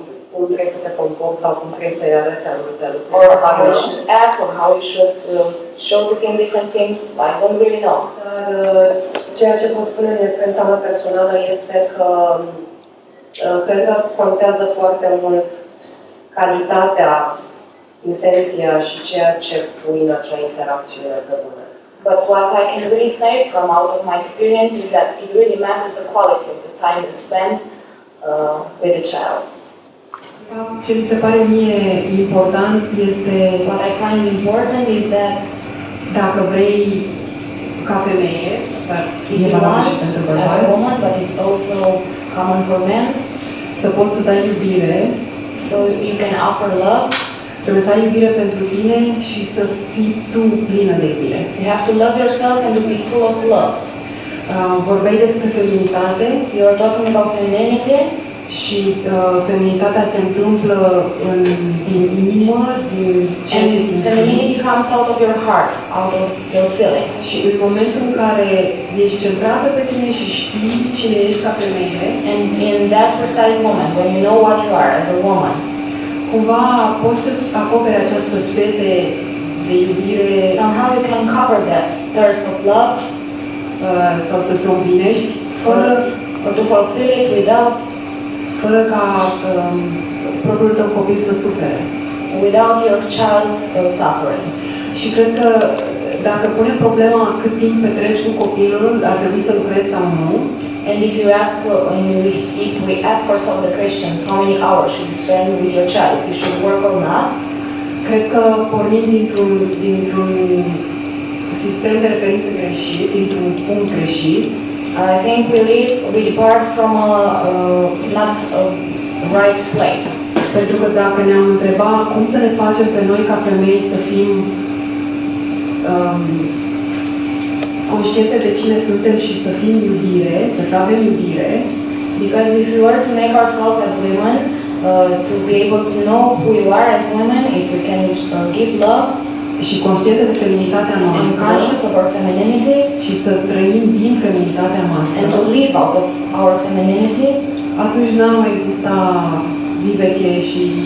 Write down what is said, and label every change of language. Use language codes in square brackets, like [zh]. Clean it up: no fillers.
[ro] Cum trebuie să te comporți sau cum trebuie să-i arăți anumite lucruri. [en] Or how you should act, or how you should show to him different things, I don't really know. [ro] Ceea ce pot spune în experiența mea personală este că cred că contează foarte mult calitatea, intenția și ceea ce pui în acea interacțiune de bună. [en] But what I can really say from out of my experience is that it really matters the quality of the time you spend with a child. [ro] Ce mi se pare mie important este... [en] What I find important is that [ro] dacă vrei ca femeie, [en] but it's also common for men, [ro] să poți să dai iubire, [en] so you can offer love, [ro] trebuie să ai iubire pentru tine și să fii tu plină de iubire. [en] You have to love yourself and to be full of love. [ro] Vorbei despre feminitate. [en] You are talking about femininity. [ro] Și feminitatea se întâmplă din inimă, din ce [en] and [ro] ce simți. [en] Femininity comes out of your heart, out of your feelings. [ro] Și în momentul în care ești centrată pe tine și știi cine ești ca femeie, [en] and in that precise moment, when you know what you are as a woman, [ro] cumva poți să-ți acoperi această sete de iubire. [en] Somehow you can cover that thirst of love. [ro] Sau să-ți o împlinești fără... [en] Or to fulfill it without... [ro] Fără ca propriul tău copil să sufere. [en] Without your child suffering. [ro] Și cred că dacă pune problema cât timp petreci cu copilul, ar trebui să lucrezi sau nu. [en] And if you ask, if we ask ourselves the questions, how many hours should you spend with your child, if you should work or not? [ro] Cred că pornim dintr-un sistem de referință greșit, dintr-un punct greșit. [en] I think we depart from not a right place. [ro] Pentru că dacă ne-am întrebat cum să ne facem pe noi ca femei să fim conștiente de cine suntem și să fim iubire, să avem iubire. [en] Because if we were to make ourselves as women, to be able to know who you are as women, if we can give love, [ro] și conștiente de feminitatea noastră, [en] and conscious of our femininity, [ro] și să trăim din feminitatea noastră, [en] and to live out of our femininity, [ro] atunci n-ar mai exista Vibeke și